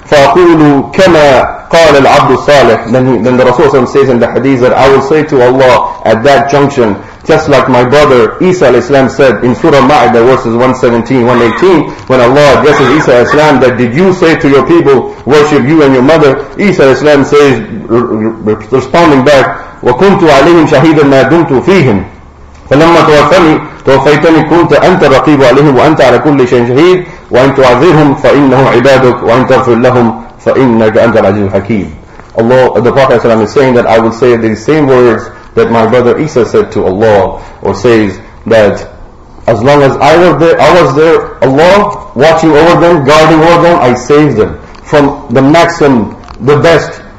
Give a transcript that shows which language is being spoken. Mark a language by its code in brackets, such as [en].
[ar] فَأَقُولُ كَمَا قَالَ الْعَبْدُ الصَّالِحِ. [en] Then the Rasulullah Islam says in the hadith that I will say to Allah at that junction, just like my brother Isa al-Islam said in Surah Ma'idah, verses 117, 118, when Allah addresses Isa al-Islam, that did you say to your people, worship you and your mother? Isa al-Islam says, responding back, [ar] وَكُنْتُ عَلَيْهِمْ شَهِيدًا مَا دُمْتُ فِيهِمْ فَلَمَّا تُوَفَّيْتَنِي كُنْتَ أَنْتَ الرَّقِيبُ عَلَيْهِمْ وَأَنْتَ عَلَى كُلِّ شَيْءٍ شَهِيدٌ وَإِنْ تُعَذِّرْهُمْ فَإِنَّهُمْ عِبَادُكَ وَإِنْ تَغْفِرْ لَهُمْ فَإِنَّكَ أَنْتَ الْعَزِيزُ الْحَكِيمُ. [en] Allah, the Prophet ﷺ is saying that I will say these same words that my brother Isa said to Allah, or says that as long as I was there, Allah watching over them, guarding over them, I saved them from the maximum, the best.